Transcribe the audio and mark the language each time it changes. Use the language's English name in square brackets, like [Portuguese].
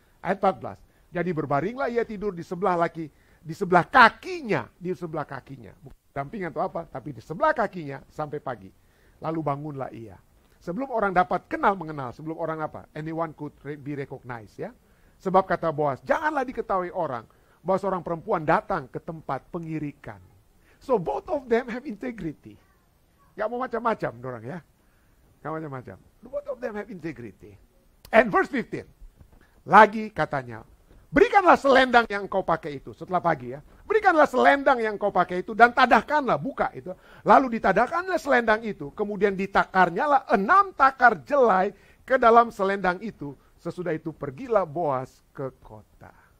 [Indonesian] Ayat 14. Jadi berbaringlah ia tidur di sebelah laki, di sebelah kakinya, bukan dampingan atau apa, tapi di sebelah kakinya sampai pagi. Lalu bangunlah ia. Sebelum orang dapat kenal mengenal, sebelum orang apa? [English] Anyone could be recognized, [Indonesian] ya. Sebab kata Boas, janganlah diketahui orang bahwa seorang perempuan datang ke tempat pengirikan. [English] So both of them have integrity. [Indonesian] Gak mau macam-macam dorang ya. Gak macam-macam. [English] Both of them have integrity. And verse 15. [Indonesian] Lagi katanya, berikanlah selendang yang kau pakai itu. Setelah pagi ya. Berikanlah selendang yang kau pakai itu dan tadahkanlah, buka itu. Lalu ditadahkanlah selendang itu. Kemudian ditakarnya lah 6 takar jelai ke dalam selendang itu. Sesudah itu pergilah Boas ke kota.